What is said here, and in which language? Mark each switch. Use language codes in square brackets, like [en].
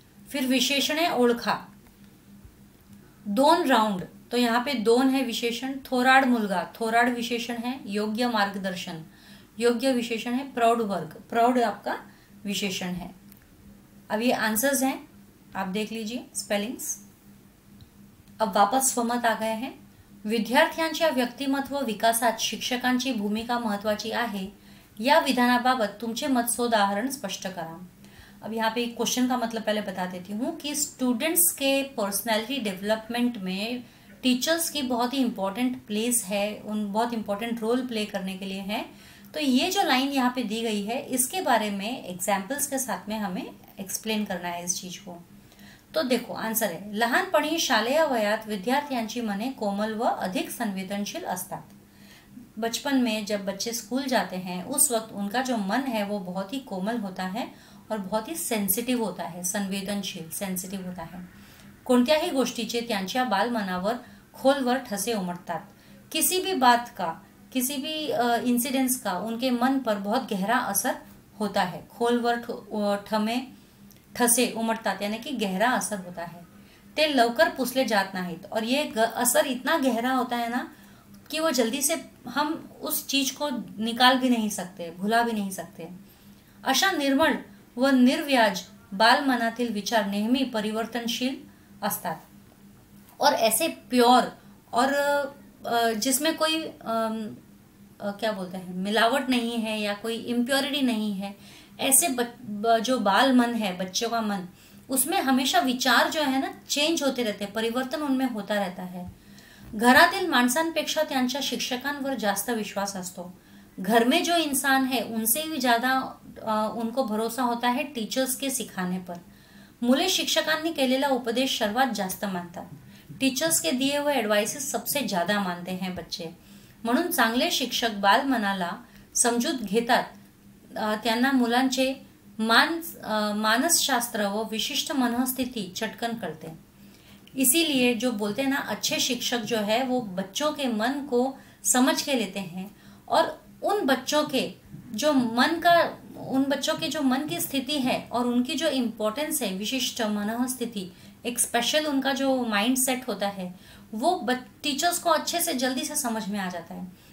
[hi] फिर विशेषण है ओळखा। दोन राउंड, तो यहाँ पे दोन है विशेषण। थोराड मुलगा, थोराड विशेषण है। योग्य मार्गदर्शन, योग्य विशेषण है। प्राउड वर्ग, प्राउड आपका विशेषण है। अब ये आंसर्स हैं, आप देख लीजिए स्पेलिंग्स। अब वापस स्वमत आ गए हैं। [mr] विद्यार्थ्यांच्या व्यक्तिमत्व विकासात शिक्षकांची भूमिका महत्वाची आहे या विधानाबाबत तुमचे मत सोदाहरण स्पष्ट करा। [hi] अब यहाँ पे क्वेश्चन का मतलब पहले बता देती हूँ कि स्टूडेंट्स के पर्सनैलिटी डेवलपमेंट में टीचर्स की बहुत ही इम्पॉर्टेंट प्लेस है, उन बहुत इंपॉर्टेंट रोल प्ले करने के लिए है। तो ये जो लाइन यहाँ पे दी गई है इसके बारे में एग्जाम्पल्स के साथ में हमें एक्सप्लेन करना है इस चीज को। तो देखो आंसर है, [mr] लहानपणी शालेय वयात विद्यार्थ्यांची मने कोमल व अधिक संवेदनशील असतात। [hi] बचपन में जब बच्चे स्कूल जाते हैं उस वक्त उनका जो मन है वो बहुत ही कोमल होता है और बहुत ही सेंसिटिव होता है, संवेदनशील, सेंसिटिव होता है। [mr] कोणत्याही गोष्टीचे त्यांच्या बालमनावर खोलवर ठसे उमटतात। [hi] किसी भी बात का, किसी भी इंसिडेंट्स का उनके मन पर बहुत गहरा असर होता है। [mr] खोलवर ठमे ठसे उमटतात [hi] यानी कि गहरा असर होता है। [mr] ते लवकर पुसले जात नाहीत, [hi] और ये असर इतना गहरा होता है ना कि वो जल्दी से हम उस चीज को निकाल भी नहीं सकते, भुला भी नहीं सकते। [mr] अशा निर्मल व निर्व्याज बाल मनातील विचार नेहमी परिवर्तनशील असतात। [hi] और ऐसे प्योर और जिसमें कोई क्या बोलते हैं, मिलावट नहीं है या कोई इम्प्योरिटी नहीं है, ऐसे जो बाल मन है, बच्चों का मन, उसमें हमेशा विचार जो है ना चेंज होते रहते हैं, परिवर्तन उनमें होता रहता है। [mr] घरातील माणसांपेक्षा त्यांच्या शिक्षकांवर जास्त विश्वास असतो। [hi] घर में जो इंसान है उनसे ही ज्यादा उनको भरोसा होता है टीचर्स के सिखाने पर। [mr] मुले शिक्षकांनी केलेला उपदेश सर्वात जास्त मानतात। [hi] टीचर्स के दिए हुए ऍडवाइसेस सबसे ज्यादा मानते हैं बच्चे। [mr] म्हणून चांगले शिक्षक बाल मनाला समजूत घेतात, त्यांना मुलांचे मानसशास्त्र व विशिष्ट मनःस्थिती चटकन कळते। [hi] इसीलिए जो बोलते हैं ना, अच्छे शिक्षक जो है वो बच्चों के मन को समझ के लेते हैं, और उन बच्चों के जो मन का उन बच्चों के जो मन की स्थिति है और उनकी जो इम्पोर्टेंस है, विशिष्ट मनोस्थिति, एक स्पेशल उनका जो माइंड सेट होता है, वो टीचर्स को अच्छे से जल्दी से समझ में आ जाता है।